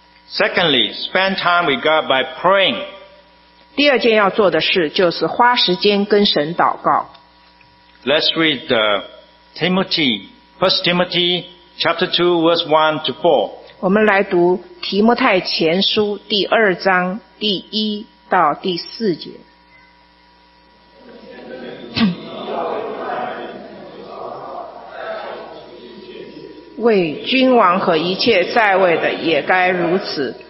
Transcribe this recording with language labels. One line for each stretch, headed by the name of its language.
English: ？Secondly, spend time with God by praying.
Chinese: 第二件要做的事就是花时间跟神祷告。
English: Let's read the Timothy, 1 Timothy chapter 2 verse 1 to 4.
Chinese: 我们来读提摩太前书第二章第一到第四节。为君王和一切在位的也该如此，